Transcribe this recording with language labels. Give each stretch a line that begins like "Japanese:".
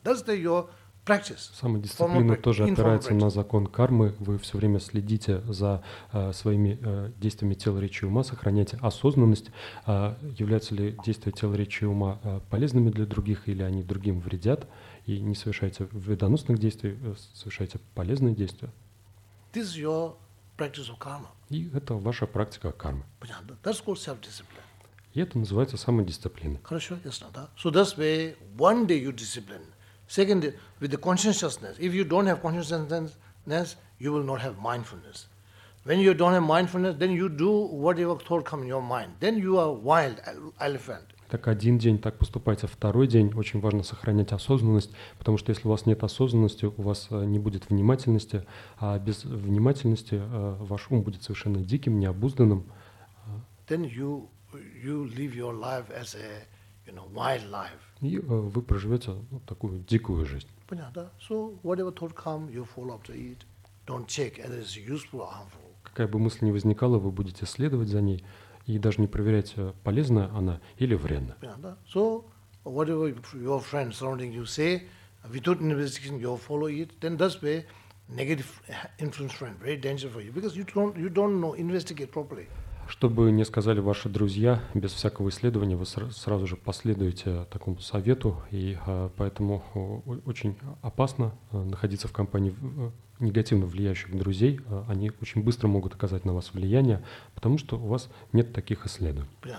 English: That's the your practice.
Russian: Самодисциплина тоже опирается на закон кармы. Вы все время следите за своими действиями тела, речи и ума, сохраняете осознанность. Являются ли действия тела, речи и ума полезными для других, или они другим вредят, и не совершаете вредоносных действий, совершаете полезные действия.
English: This is your practice of karma.
Russian: И это ваша практика кармы. Понятно?
English: That's called self-discipline.
Russian: И это называется самодисциплина. Хорошо, ясно, да?
English: So that's where one day you discipline. Second day, with the consciousness. If you don't have consciousness, you will not have mindfulness. When you don't have mindfulness, then you do whatever thought comes in your mind. Then you are wild elephant.
Russian: Так один день, так поступайте. Второй день очень важно сохранять осознанность, потому что если у вас нет осознанности, у вас не будет внимательности, а без внимательности ваш ум будет совершенно диким, необузданным.
English: Then you live your life as a, you know, wild life.
Russian: И вы проживете вот такую дикую жизнь. Понятно.
English: So whatever thought comes, you follow up to it. Don't check whether it's useful or harmful.
Russian: какая бы мысль ни возникала, вы будете следовать за ней и даже не проверять, полезна она или вредна.
English: So, whatever your friends surrounding you say, if you don't invest in, you follow it, then that's where negative influence friend, very dangerous for you, because you don't know, investigate properly.
Russian: Что бы ни сказали ваши друзья, без всякого исследования вы сразу же последуете такому совету, и поэтому очень опасно находиться в компании негативно влияющих друзей. Они очень быстро могут оказать на вас влияние, потому что у вас нет таких исследований.